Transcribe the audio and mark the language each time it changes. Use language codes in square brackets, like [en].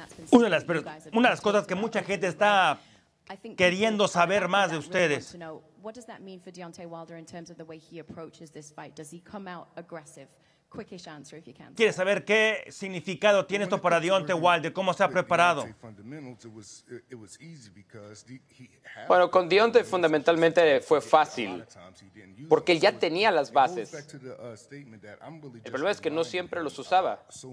[es] Una de las cosas que mucha gente está queriendo saber más de ustedes. [en] What does that mean for Deontay Wilder in terms of the way he approaches this fight? Does he come out aggressive? Quickish answer if you can. [es] ¿Quieres saber qué significado tiene esto para Deontay Wilder? ¿Cómo se ha preparado? Bueno, con Deontay fundamentalmente fue fácil porque él ya tenía las bases. El problema es que no siempre los usaba.